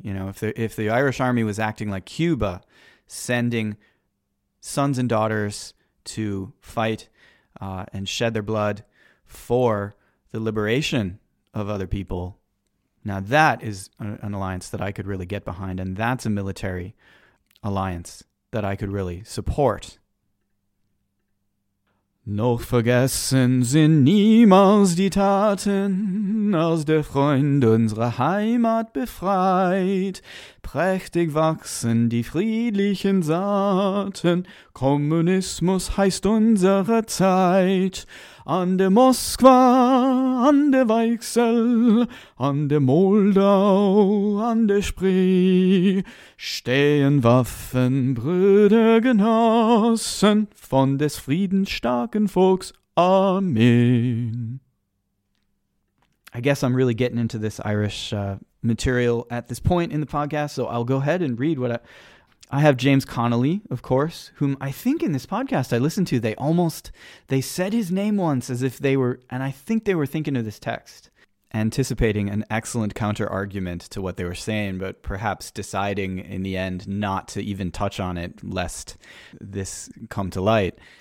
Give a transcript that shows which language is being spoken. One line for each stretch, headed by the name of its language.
English: If the Irish army was acting like Cuba, sending sons and daughters to fight and shed their blood for the liberation of other people, Now that is an alliance that I could really get behind, and that's a military alliance that I could really support.
German: Noch vergessen sind niemals die Taten, als der Freund unsere Heimat befreit. Prächtig wachsen die friedlichen Saaten, Kommunismus heißt unsere Zeit. An der Moskwa, an der Weichsel, an der Moldau, an der Spree, stehen Waffen, Brüdergenossen, von des Friedens starken Volks. Amen.
English: I guess I'm really getting into this Irish material at this point in the podcast, so I'll go ahead and read what I have. James Connolly, of course, whom I think in this podcast I listened to, they said his name once as if they were, and I think they were thinking of this text, anticipating an excellent counter-argument to what they were saying, but perhaps deciding in the end not to even touch on it, lest this come to light.